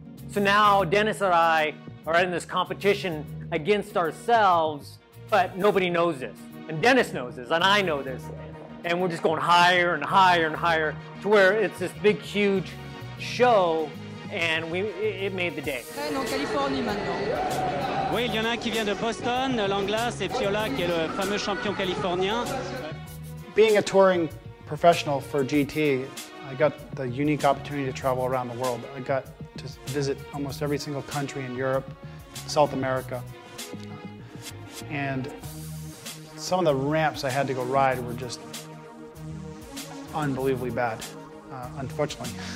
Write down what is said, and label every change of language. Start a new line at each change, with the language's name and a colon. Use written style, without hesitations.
English: So now Dennis and I are in this competition against ourselves, but nobody knows this. And Dennis knows this, and I know this. And we're just going higher and higher and higher to where it's this big, huge show, and it made the day.
French: En Californie maintenant. Oui, il y en a un qui vient de Boston, Langlas, et Piola, qui est le fameux champion californien.
English: Being a touring professional for GT, I got the unique opportunity to travel around the world. I got to visit almost every single country in Europe, South America. And some of the ramps I had to go ride were just unbelievably bad, unfortunately.